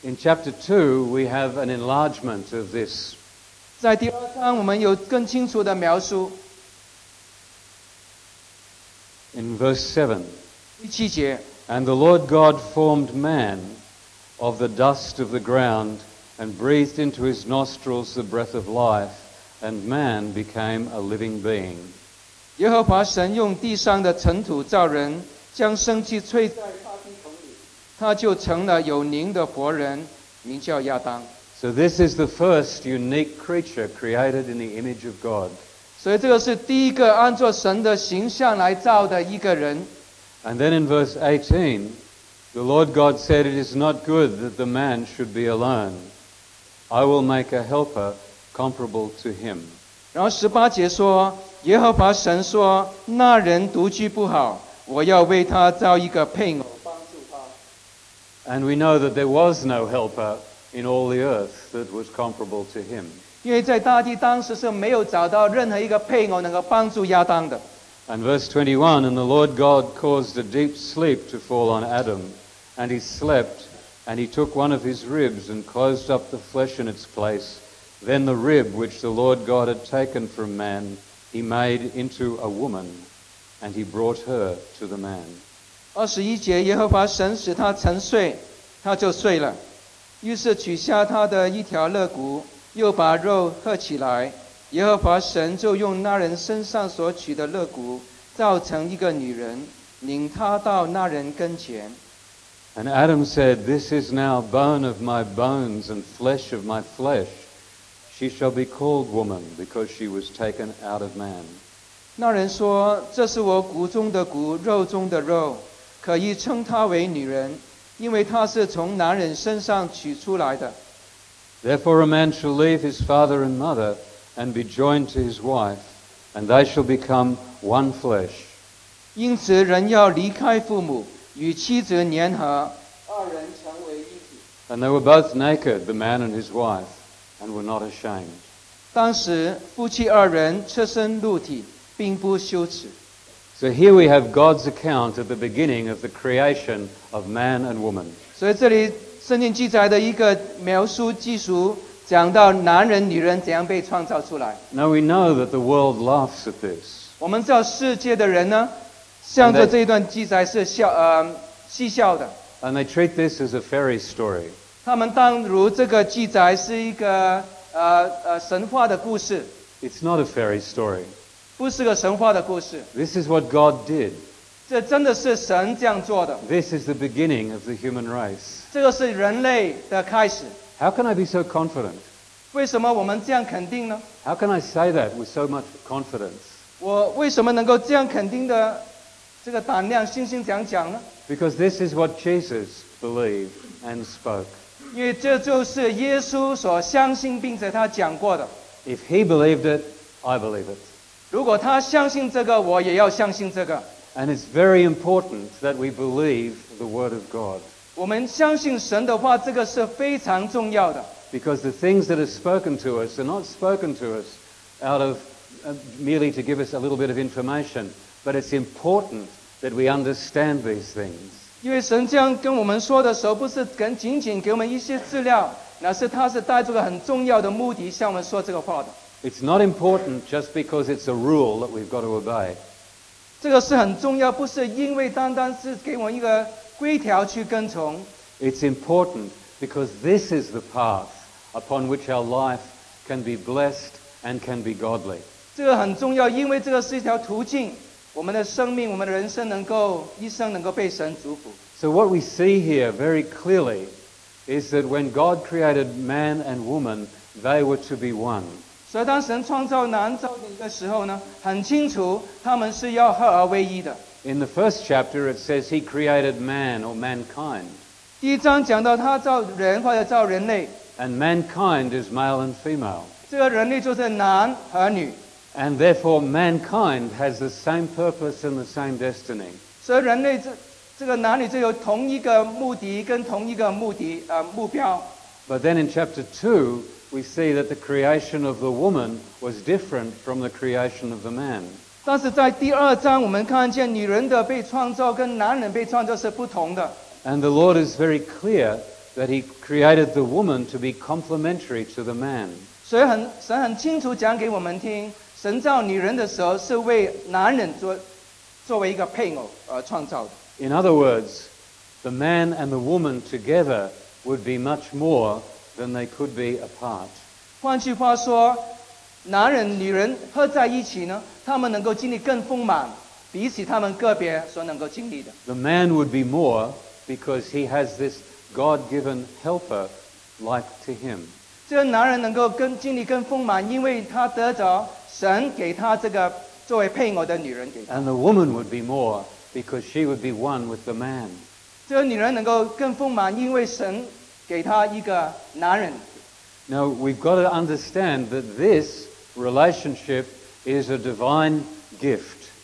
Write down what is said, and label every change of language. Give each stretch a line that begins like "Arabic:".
English: In chapter 2, we have an enlargement of this.
Chinese: 在第二章我们有更清楚的描述。
English: In verse 7,
Chinese: 第七节
English: And the Lord God formed man of the dust of the ground and breathed into his nostrils the breath of life, and man became a living being.
Chinese: 耶和华神用地上的尘土造人，将生气吹在他鼻孔里，他就成了有灵的活人，名叫亚当。
English: So this is the first unique creature created in the image of God.
Chinese: 所以这个是第一个按照神的形象来造的一个人。
English: And then in verse 18, the Lord God said, It is not good that the man should be alone. I will make a helper comparable to him.
Chinese: 然后十八节说，耶和华神说，那人独居不好，我要为他造一个配偶，帮助他。
English: And we know that there was no helper. In all the earth that was comparable to him. And verse 21, And the Lord God caused a deep sleep to fall on Adam, and he slept, and he took one of his ribs and closed up the flesh in its place. Then the rib which the Lord God had taken from man, he made into a woman, and he brought her to the man.
Chinese: 21节，耶和华神使他沉睡，他就睡了。于是取下他的一条肋骨，又把肉合起来。耶和华神就用那人身上所取的肋骨，造成一个女人，领他到那人跟前。
English: And Adam said, This is now bone of my bones and flesh of my flesh. She shall be called woman, because she was taken out of man.
Chinese: 那人说，这是我骨中的骨，肉中的肉，可以称她为女人。因为他是从男人身上取出来的。
English: Therefore a man shall leave his father and mother and be joined to his wife, and they shall become one flesh.
Chinese: 因此人要离开父母，与妻子联合，二人成为一体。
English: And they were both naked, the man and his wife, and were not ashamed.
Chinese: 当时夫妻二人赤身露体，并不羞耻。
English: So here we have God's account at the beginning of the creation of man and woman.
Chinese: 所以这里圣经记载的一个描述记述讲到男人女人怎样被创造出来。
English: Now we know that the world laughs at this.
Chinese: 我们知道世界的人呢，向着这一段记载是笑嬉笑的。
English: And they treat this as a fairy story.
Chinese: 他们当如这个记载是一个神话的故事。
English: It's not a fairy story.
Chinese: 不是个神话的故事。
English: This is what God did.
Chinese: 这真的是神这样做的。
English: This is the beginning of the human race.
Chinese: 这个是人类的开始。
English: How can I be so confident?
Chinese: 为什么我们这样肯定呢？
English: How can I say that with so much confidence?
Chinese: 我为什么能够这样肯定的这个胆量信心讲讲呢？
English: Because this is what Jesus believed and spoke.
Chinese: 因为这就是耶稣所相信并且他讲过的。
English: If he believed it, I believe it.
Chinese: 如果他相信这个，我也要相信这个。
English: And it's very important that we believe the word of God.
Chinese: 我们相信神的话，这个是非常重要的。
English: Because the things that are spoken to us are not spoken to us out of merely to give us a little bit of information, but it's important that we understand these things.
Chinese: 因为神这样跟我们说的时候，不是仅仅给我们一些资料，而是他是带着个很重要的目的向我们说这个话的。
English: It's not important just because it's a rule that we've got to obey.
Chinese: 这个是很重要，不是因为单单是给我们一个。规条去跟从。
English: It's important because this is the path upon which our life can be blessed and can be godly.
Chinese: 这个很重要，因为这个是一条途径，我们的生命，我们的人生能够一生能够被神祝福。
English: So what we see here very clearly is that when God created man and woman, they were to be one.
Chinese: 所以当神创造男造女的时候呢，很清楚他们是要合而为一的。
English: In the first chapter, it says he created man or mankind.
Chinese: 第一章讲到他造人或者造人类。
English: And mankind is male and female.
Chinese: 这个人类就是男和女。
English: And therefore, mankind has the same purpose and the same destiny.
Chinese: 所以人类这个男女就有同一个目的跟同一个目标。
English: But then in chapter 2, we see that the creation of the woman was different from the creation of the man.
Chinese: 但是在第二章我们看见女人的被创造跟男人被创造是不同的。
English: And the Lord is very clear that he created the woman to be complementary to the man.
Chinese: 所以神很清楚讲给我们听，神造女人的时候是为男人作为一个配偶而创造的。
English: In other words, the man and the woman together would be much more than they could be apart.
Chinese: 换句话说，男人女人合在一起呢，他们能够经历更丰满，比起他们个别所能够经历的。
English: The man would be more because he has this God-given helper like to him.
Chinese: 这个男人能够经历更丰满，因为他得着神给他这个作为配偶的女人给他。
English: And the woman would be more because she would be one with the man.
Chinese: 这个女人能够更丰满，因为神给他一个男人。
English: Now we've got to understand that this relationship is a divine gift.